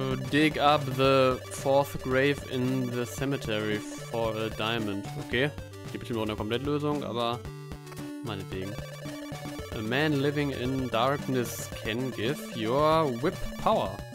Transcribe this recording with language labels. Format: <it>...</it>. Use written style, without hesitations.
<en>Dig up the 4th grave in the cemetery for a diamond. Okay.</en> <de>Gibt bestimmt auch eine Komplettlösung, aber meinetwegen.</de> <en>A man living in darkness can give your whip power.</en>